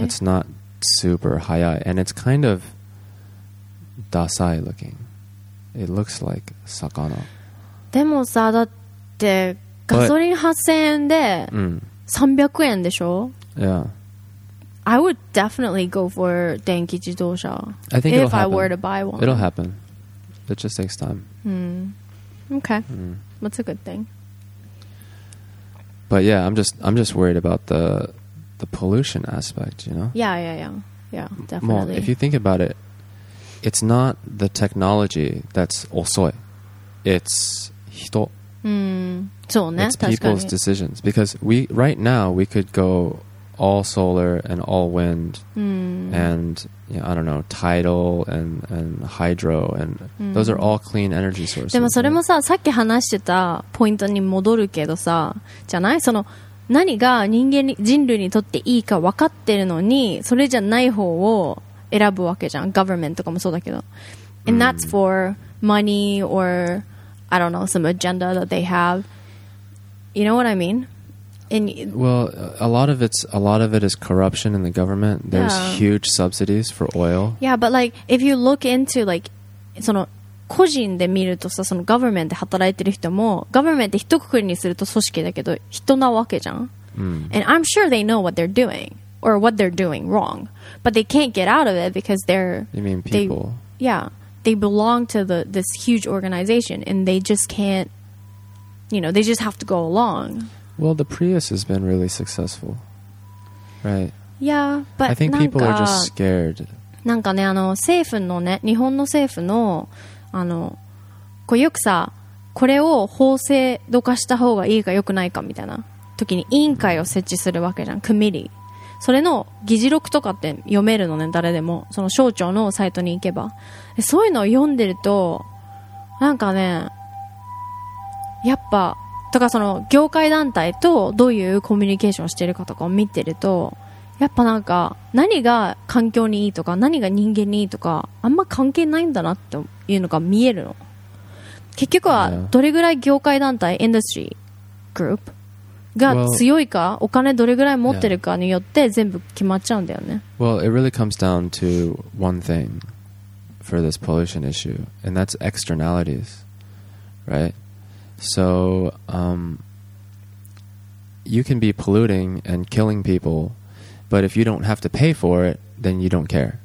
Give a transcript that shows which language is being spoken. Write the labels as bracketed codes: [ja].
[en] It's not super high eye, and it's kind of dasai looking. It looks like sakana. [ja] でもさ、だってガソリン8000円で300円でしょ? [en] Yeah. I would definitely go for 電気自動車. I think if I were to buy one. It'll happen. It just takes time. Mm. Okay. Mm. That's a good thing. But yeah, I'm just worried about the pollution aspect, you know? Yeah, definitely. Well, if you think about it, it's not the technology that's 遅い. It's 人.Mm. [ja] そうね、 [en] it's people's decisions. Because we right now, we could go all solar and all wind and, you know, I don't know, tidal and hydro. And those are all clean energy sources. [ja] でもそれもさ、さっき話してたポイントに戻るけどさ、じゃない? その何が人類にとっていいか分かってるのにそれじゃない方を選ぶわけじゃん government とかもそうだけど [en] and that's for money or I don't know some agenda that they have you know what I mean and well a lot of it is corruption in the government there's huge subsidies for oil yeah but like if you look into like [ja] その個人で見るとさ、その government で働いてる人も、government って一括りにすると組織だけど、人なわけじゃん。 [en] And I'm sure they know what they're doing or what they're doing wrong, but they can't get out of it because they're. You mean people? They belong to this huge organization and they just can't. You know, they just have to go along. Well, the Prius has been really successful, right? Yeah, but I think people are just scared. [ja] なんかね、あの政府のね、日本の政府のあのこうよくさこれを法制度化した方がいいか良くないかみたいな時に委員会を設置するわけじゃん、クミリー。それの議事録とかって読めるのね、誰でも。その省庁のサイトに行けば。そういうのを読んでると、なんかね、やっぱ、とかその業界団体とどういうコミュニケーションをしてるかとかを見てると、やっぱなんか何が環境にいいとか何が人間にいいとかあんま関係ないんだなっていうのが見えるの。結局はどれぐらい業界団体インダストリーグループが強いか、お金どれぐらい持ってるかによって全部決まっちゃうんだよね。 [en] Well, it really comes down to one thing for this pollution issue, and that's externalities, right? So, you can be polluting and killing people, but if you don't have to pay for it, then you don't care.